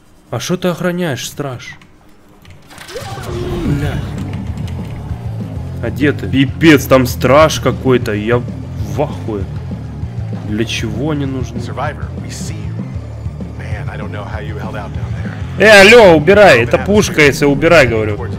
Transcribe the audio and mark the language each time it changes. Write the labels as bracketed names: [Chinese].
[Russian] А что ты охраняешь, страж? Блядь. А где ты? Пипец, там страж какой-то, я... Вахуя. Для чего они нужны? [English] Survivor, we see you. Man, I don't know how you held out down there. [Russian] Э, алло, убирай, это пушка, если убирай, говорю.